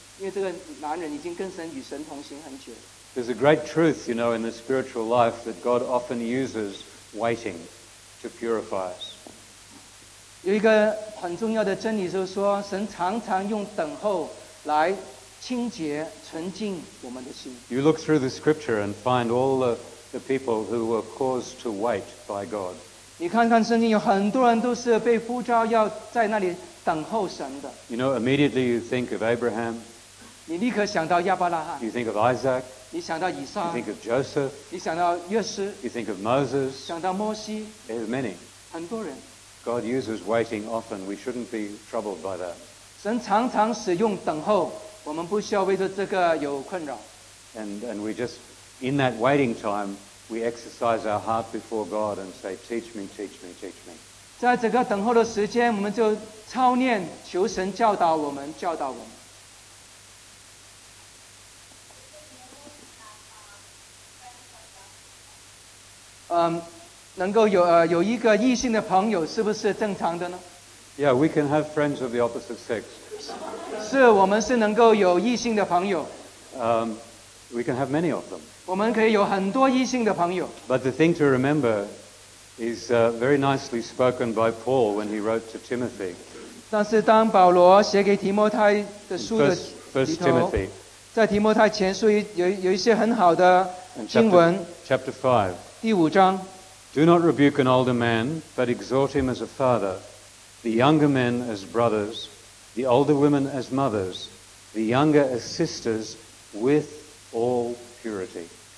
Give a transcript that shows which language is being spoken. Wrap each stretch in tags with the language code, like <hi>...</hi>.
<zh>我相信如果神带领这个弟兄，再有一两年，这八年、九年、十年，到一天，神给他一个妻子呢，这妻子是相当蒙福的，因为这个男人已经跟神与神同行很久了。</zh> <en>There's a great truth, you know, in the spiritual life that God often uses waiting to purify us.</en> <zh>有一个很重要的真理，就是说，神常常用等候来清洁、纯净我们的心。</zh> <en>You look through the scripture and find all the people who were caused to wait by God.</en> <zh>你看看圣经，有很多人都是被呼召要在那里等候神的。</zh> <en>You know, immediately you think of Abraham.</en> <zh>你立刻想到亚伯拉罕。</zh> <en>You think of Isaac.</en> <zh>你想到以撒。</zh> <en>You think of Joseph.</en> <zh>你想到约瑟。</zh> <en>You think of Moses.</en> <zh>想到摩西。</zh> <en>There are many.</en> <zh>很多人。</zh> <en>God uses waiting often. We shouldn't be troubled by that.</en> <zh>神常常使用等候， 我们不需要为着这个有困扰。</zh> <en>And we just, in that waiting time, we exercise our heart before God and say, teach me, teach me, teach me.</en> <zh>在整个等候的时间， 我们就操练， 求神教导我们， 教导我们。能够有一个异性的朋友是不是正常的呢？</zh> <en>Yeah, we can have friends of the opposite sex.</en> <zh>是，我们是能够有异性的朋友。</zh> <en>We can have many of them.</en> <zh>我们可以有很多异性的朋友。</zh> <en>But the thing to remember is very nicely spoken by Paul when he wrote to Timothy.</en> <zh>但是当保罗写给提摩太的书的里头，</zh> <en>First Timothy.</en> <zh>在提摩太前书有一些很好的经文。</zh> <en>Chapter 5.</en> <zh>第五章。</zh> <en>Do not rebuke an older man, but exhort him as a father, the younger men as brothers, the older women as mothers, the younger as sisters, with all purity.</en>